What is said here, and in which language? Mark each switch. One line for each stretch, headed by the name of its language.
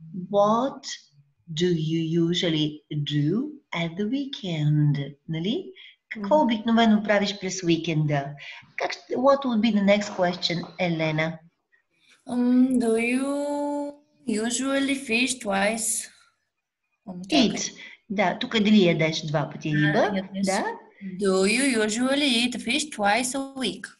English: What do you usually do at the weekend?
Bulgarian: Нали? Какво обикновено правиш през уикенда?
English: What would be the next question, Елена? Do you usually fish twice? Eat.
Bulgarian: Да, тук е дали ядеш два пъти риба. Да?
English: Do you usually eat fish twice a week?